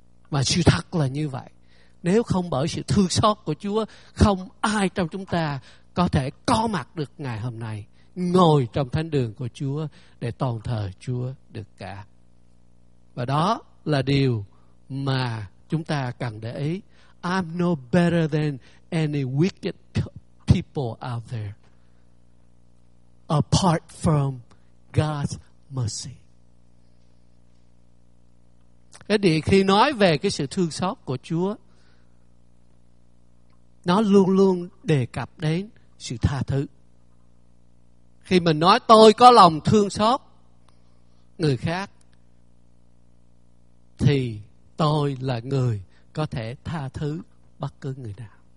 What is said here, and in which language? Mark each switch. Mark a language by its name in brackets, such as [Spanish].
[Vietnamese] Mà sự thật là như vậy. Nếu không bởi sự thương xót của Chúa, không ai trong chúng ta có thể có mặt được ngày hôm nay, ngồi trong thánh đường của Chúa để tôn thờ Chúa được cả. Và đó là điều mà chúng ta cần để ý. [English] I'm no better than any wicked people out there apart from God's mercy. [Vietnamese] Cái điều khi nói về cái sự thương xót của Chúa, nó luôn luôn đề cập đến sự tha thứ. Khi mình nói tôi có lòng thương xót người khác, thì tôi là người có thể tha thứ bất cứ người nào.